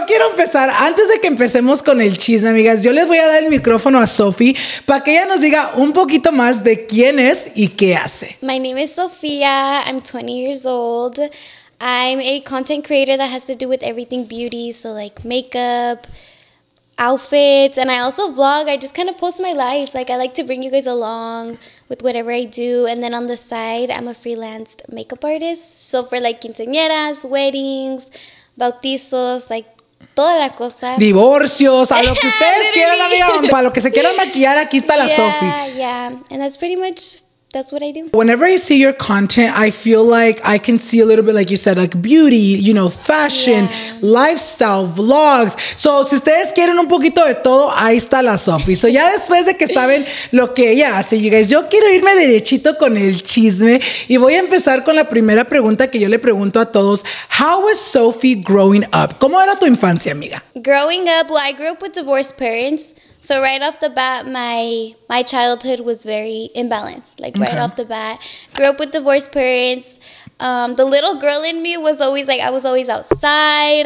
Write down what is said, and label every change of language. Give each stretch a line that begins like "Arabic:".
Spanish: Yo quiero empezar, antes de que empecemos con el chisme, amigas, yo les voy a dar el micrófono a Sofi para que ella nos diga un poquito más de quién es y qué hace.
English: My name is Sofía. I'm 20 years old. I'm a content creator that has to do with everything beauty, so like makeup, outfits, and I also vlog. I just kind of post my life. Like, I like to bring you guys along with whatever I do. And then on the side, I'm a freelanced makeup artist. So for like quinceañeras, weddings, bautizos, like
Spanish: toda la cosa. Divorcios, a lo que ustedes quieran, amiga, para lo que se quieran maquillar, aquí está la Sofi.
English: Yeah, and that's pretty much... That's what I do. Whenever I see your content, I feel like I can see a little bit, like you said, like beauty, you know, fashion, lifestyle, vlogs.
Spanish: So, si ustedes quieren un poquito de todo, ahí está la Sofi. So, ya después de que saben lo que ella hace,
English: you guys,
Spanish: yo quiero irme derechito con el chisme. Y voy a empezar con la primera pregunta que yo le pregunto a todos.
English: How was Sofi growing up?
Spanish: ¿Cómo era tu infancia, amiga?
English: Growing up, well, I grew up with divorced parents. So right off the bat, my childhood was very imbalanced, like right off the bat. Grew up with divorced parents. The little girl in me was always like, I was always outside.